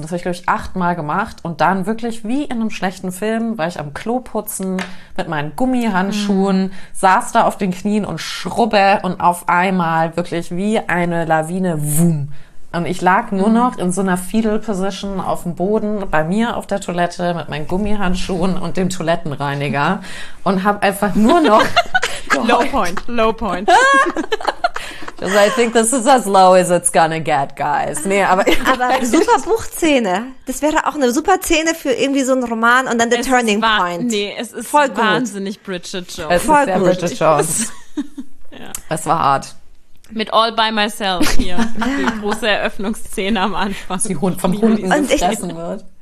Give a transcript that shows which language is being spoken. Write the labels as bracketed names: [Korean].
[German] Und das habe ich, glaube ich, 8-mal gemacht. Und dann wirklich wie in einem schlechten Film war ich am Klo putzen mit meinen Gummihandschuhen, saß da auf den Knien und schrubbe und auf einmal wirklich wie eine Lawine, wumm. Und ich lag nur noch in so einer Fetal-Position auf dem Boden bei mir auf der Toilette mit meinen Gummihandschuhen und dem Toilettenreiniger und habe einfach nur noch [English] Low point. Because I think this is as low as it's gonna get, guys. [German] Nee, aber super Buchszene. Das wäre auch eine super Szene für irgendwie so einen Roman und dann [English] the turning point. [German] Nee, es ist voll wahnsinnig gut. Bridget Jones. Es voll ist sehr gut. Bridget Jones. Es war hart. Mit All By Myself hier. Die große Eröffnungsszene am Anfang. Die Hund vom Hund ihn so fressen wird.